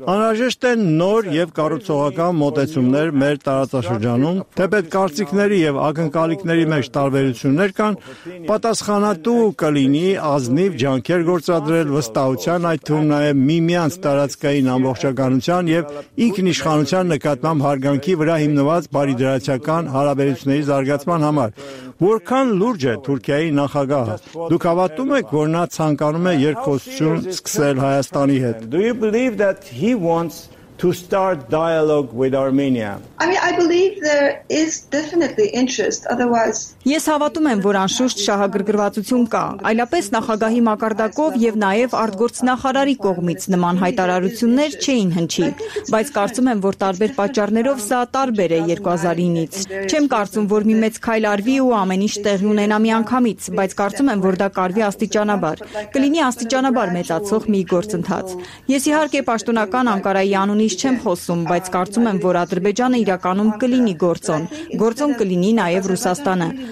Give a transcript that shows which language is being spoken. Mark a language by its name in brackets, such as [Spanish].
[Armenian] «Անհրաժեշտ են նոր եւ կառուցողական մոտեցումներ մեր տարածաշրջանում, թեպետ կարծիքների եւ ակնկալիքների մեջ տարբերություններ կան, պատասխանատու կլինի ազնիվ ջանքեր գործադրել վստահության այդ թվում նաեւ միմյանց տարածքային ամբողջականության եւ ինքնիշխանության նկատմամբ» հարգանքի վրա հիմնված բարի դրացական հարաբերությունների զարգացման համար։ Որքան լուրջ է Թուրքիայի նախագահը։ Դուք հավատում եք, որ նա ցանկանում է երկխոսություն սկսել Հայաստանի հետ։ [English] Do you believe that he wants to start dialogue with Armenia? I mean, I believe there is definitely interest, otherwise [Armenian] Ես հավատում եմ, որ անշուշտ շահագրգռվածություն կա, այլապես նախագահի մակարդակով եւ նաեւ արտգործնախարարի կողմից նման հայտարարություններ չէին հնչի, բայց կարծում եմ, որ տարբեր պատճառներով սա տարբեր է 2009-ից։ Չեմ կարծում, որ մի մեծ քայլ արվի ու ամեն ինչ տեղի ունենա միանգամից, բայց կարծում եմ, որ դա կարվի աստիճանաբար, կլինի աստիճանաբար մեծացող մի գործընթաց։ Ես իհարկե պաշտոնական Անկարայի անունից չեմ խոսում, բայց կարծում եմ, որ Ադրբեջանը իրականում կլինի գործոն, գործոն կլինի նաեւ Ռուսաստանը։